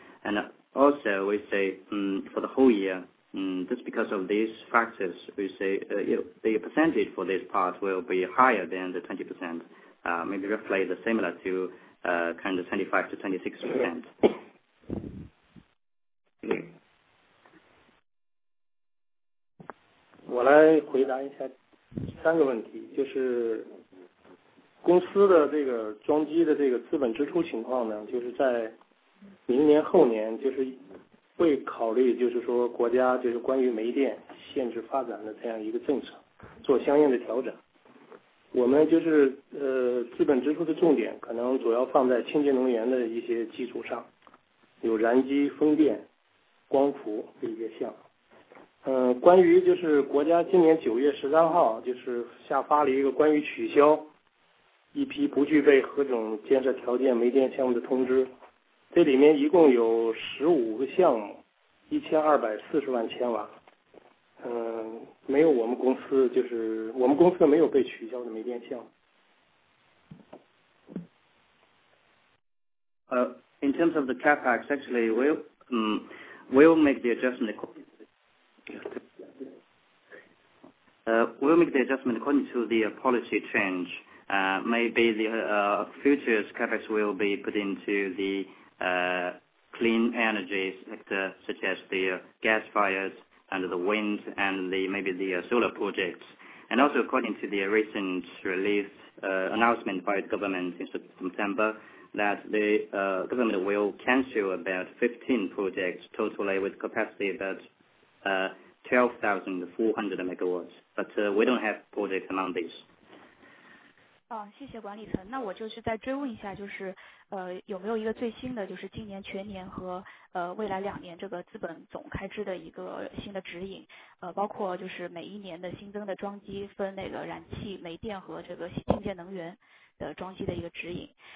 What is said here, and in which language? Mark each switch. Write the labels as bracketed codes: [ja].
[en] And also we say for the whole year, just because of these factors, we say the percentage for this part will be higher than the 20%. Maybe roughly the similar to kind of 25% to 26%. [zh] 我来回答一下三个问题，就是公司的这个装机的这个资本支出情况呢，就是在明年后年，就是会考虑就是说国家就是关于煤电限制发展的这样一个政策做相应的调整。我们就是资本支出的重点可能主要放在清洁能源的一些基础上，有燃机、风电、光伏这些项。关于就是国家今年9月13号就是下发了一个关于取消一批不具备何种建设条件煤电项目的通知，这里面一共有15个项目，1240万千瓦。没有我们公司，就是我们公司没有被取消的煤电项目。 [en] In terms of the CapEx, actually, we'll make the adjustment. We'll make the adjustment according to the policy change. Maybe the future CapEx will be put into the clean energy sector, such as the gas fires. And the wind and maybe the solar projects. And also according to the recent release announcement by the government in September that the government will cancel about 15 projects totally with capacity about 12,400 megawatts. But we don't have projects among these. [zh] 谢谢管理层。那我就是再追问一下，就是有没有一个最新的，就是今年全年和未来两年这个资本总开支的一个新的指引，包括就是每一年的新增的装机分那个燃气、煤电和这个清洁能源的装机的一个指引。